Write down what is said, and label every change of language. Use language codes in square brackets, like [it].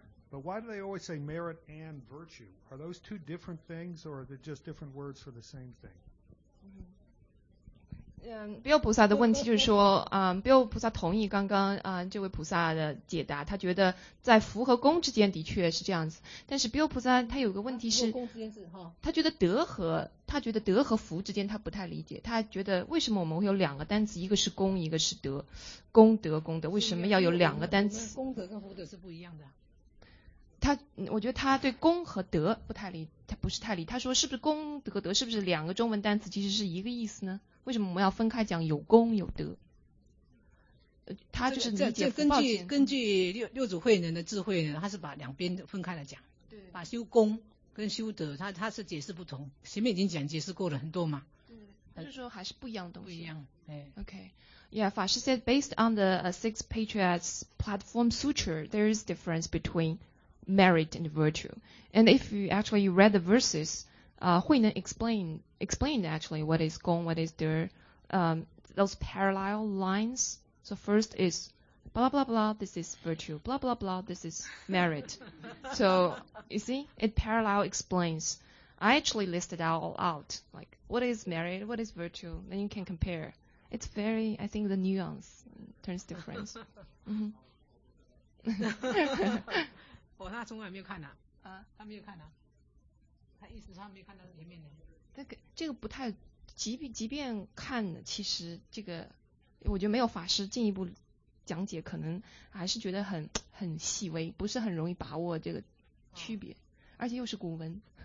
[en] But why do they always say merit and virtue? Are those two different things, or are they just different words for the same thing? [zh] Bill 菩萨的问题就是说，Bill 菩萨同意刚刚这位菩萨的解答，他觉得在福和功之间的确是这样子。但是 Bill 菩萨他有个问题是，他觉得德和福之间他不太理解，他觉得为什么我们会有两个单词，一个是功，一个是德，功德，为什么要有两个单词？功德跟福德是不一样的。我觉得他对功和德不太理，他不是太理。他说是不是功德和德是不是两个中文单词其实是一个意思呢？为什么我们要分开讲有功有德？他就是理解福报。根据六祖慧能的智慧呢，他是把两边分开来讲，对，把修功跟修德，他是解释不同。前面已经讲解释过了很多嘛，就是说还是不一样的东西。不一样， [en] OK。 Yeah, 法师 said based on the Six Patriarchs Platform Sutra, there is difference between merit and virtue. And if you actually read the verses, Hui Neng explained actually what is gong, what is der, those parallel lines. So first is blah blah blah, this is virtue, blah blah blah, this is merit. So you see, it parallel explains. I actually listed all out, like what is merit, what is virtue, then you can compare. It's very, I think the nuance turns different. [zh] Oh, 他从来没有看呢，他没有看呢，他意思上没看到前面的。这个不太，即便看，其实这个我觉得没有法师进一步讲解，可能还是觉得很细微，不是很容易把握这个区别，而且又是古文。